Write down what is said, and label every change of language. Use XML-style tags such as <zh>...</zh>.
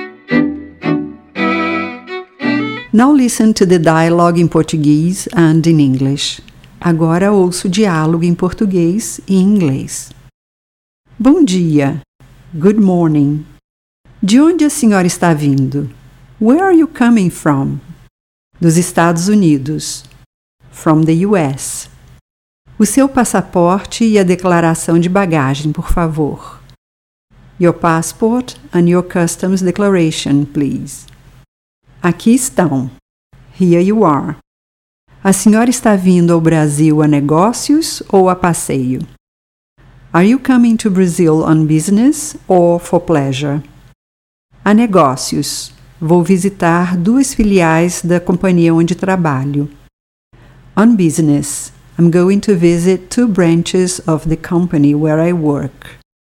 <en>Now listen to the dialogue in Portuguese and in English.</en> <pt>Agora ouço o diálogo em português e inglês. Bom dia.</pt> <en>Good morning.</en> <pt>De onde a senhora está vindo?</pt> <en>Where are you coming from?</en> <pt>Dos Estados Unidos.</pt> <en>From the US.</en> <pt>O seu passaporte e a declaração de bagagem, por favor.</pt> <en>Your passport and your customs declaration, please.</en> <pt>Aqui estão.</pt> <en>Here you are.</en> <pt>A senhora está vindo ao Brasil a negócios ou a passeio?</pt> <en>Are you coming to Brazil on business or for pleasure?</en> <pt>A negócios. Vou visitar duas filiais da companhia onde trabalho.</pt> <en>On business. I'm going to visit 2 branches of the company where I work.</en>